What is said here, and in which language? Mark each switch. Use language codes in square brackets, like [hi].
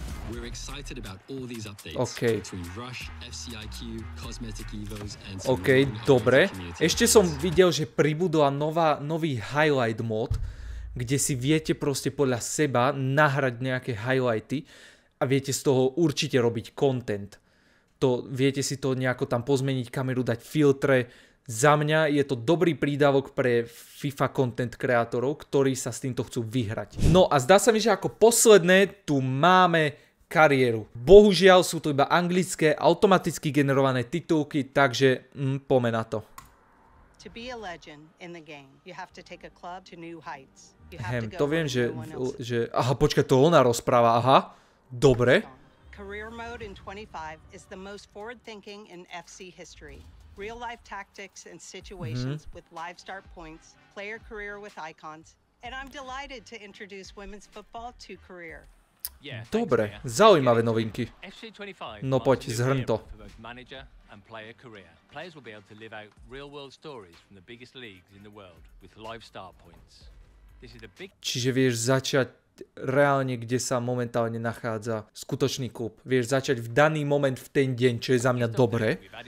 [en] We're excited about all these updates. Okay. Between Rush, FCIQ, Cosmetic Evos and some okay, [sk] dobre. Ešte som videl, že pribudla nový highlight mod, kde si viete proste podľa seba nahrať nejaké highlighty a viete z toho určite robiť content. To viete si to nejako tam pozmeniť kameru, dať filtre. Za mňa je to dobrý prídavok pre FIFA content kreatorov, ktorí sa s týmto chcú vyhrať. No a zdá sa mi, že ako posledné tu máme kariéru. Bohužiaľ sú to iba anglické, automaticky generované titulky, takže poďme na to. [en] To be a legend in the game, you have to take a club to new heights. [sk] Hem, to viem, že aha, počkaj, to ona rozpráva, aha. Dobre. [en] Career mode in 25 is the most forward-thinking in FC history. Real life tactics and situations with live start points, player career with icons, and I'm delighted to introduce women's football to career. [sk] Yeah, dobre, zaujímavé novinky. No poď, zhrň to. [en] And player career. Players will be able to live out real-world stories from the biggest leagues in the world with live start points. This is a big... [sk] Čiže vieš začať reálne, kde sa momentálne nachádza skutočný klub. Vieš začať v daný moment v ten deň, čo je za mňa dobré.